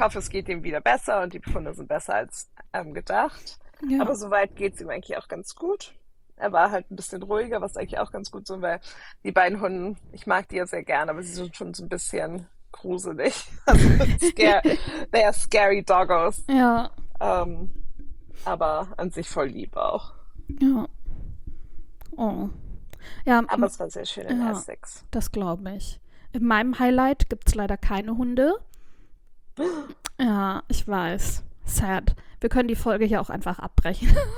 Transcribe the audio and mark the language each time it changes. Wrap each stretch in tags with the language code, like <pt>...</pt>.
<de>hoffe, es geht ihm wieder besser und die Befunde sind besser als gedacht. Ja. Aber soweit geht es ihm eigentlich auch ganz gut. Er war halt ein bisschen ruhiger, was eigentlich auch ganz gut so, weil die beiden Hunde, ich mag die ja sehr gerne, aber sie sind schon so ein bisschen gruselig.</de> <en>Also, they are scary doggos.</en> <de>Ja. Aber an sich voll lieb auch. Ja. Oh. Ja, Aber es war sehr schön in Essex. das glaube ich. In meinem Highlight gibt es leider keine Hunde. Ja, ich weiß. Sad. Wir können die Folge hier auch einfach abbrechen.</de>